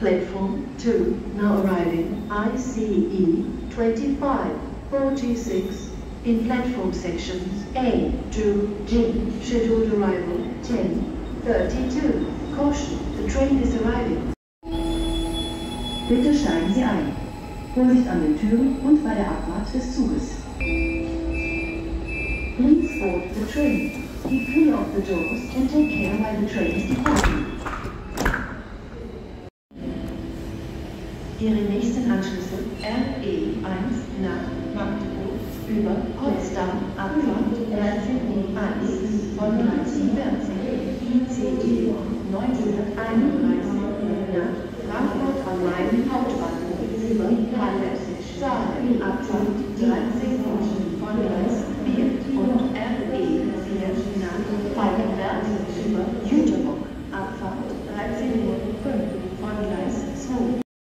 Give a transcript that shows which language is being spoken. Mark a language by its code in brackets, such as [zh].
[en] Platform 2 now arriving ICE 2546 in platform sections A to G. Scheduled arrival 10:32. Caution, the train is arriving. [de] Bitte steigen Sie ein. Vorsicht an den Türen und bei der Abfahrt des Zuges. [en] Please board the train. Keep clear of the doors and take care while the train is departing. [de] Ihre nächsten Anschlüsse RE1 nach Magdeburg über Potsdam Abfahrt RC1 von 1940 ICE 1931 nach Frankfurt am Main Hauptbahnhof über Halle-Sisch Saale Abfahrt 13 von 1-4 und RE4 nach Falkenberg über Jüterbock Abfahrt 13:05 von Gleis 2.